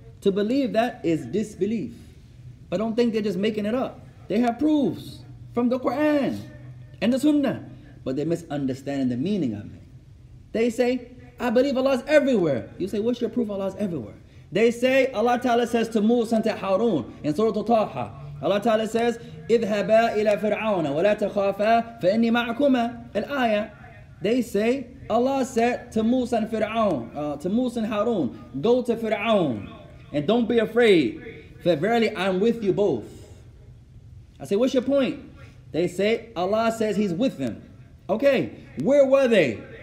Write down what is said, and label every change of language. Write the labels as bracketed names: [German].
[English] To believe that is disbelief. But don't think they're just making it up. They have proofs from the Quran and the Sunnah. But they misunderstand the meaning of it. They say, I believe Allah is everywhere. You say, what's your proof Allah is everywhere? They say, Allah Ta'ala says to Musa and to Harun in Surah Al-Taha. Allah Ta'ala says, [Arabic] اِذْهَبَا إِلَى فِرْعَوْنَ وَلَا تَخَافَا فَإِنِّي مَعْكُمَا الْآيَةِ. [English] They say, Allah said to Musa and Fir'aun, to Musa and Harun, go to Fir'aun and don't be afraid, for verily I'm with you both. I say, what's your point? They say, Allah says he's with them. Okay, where were they?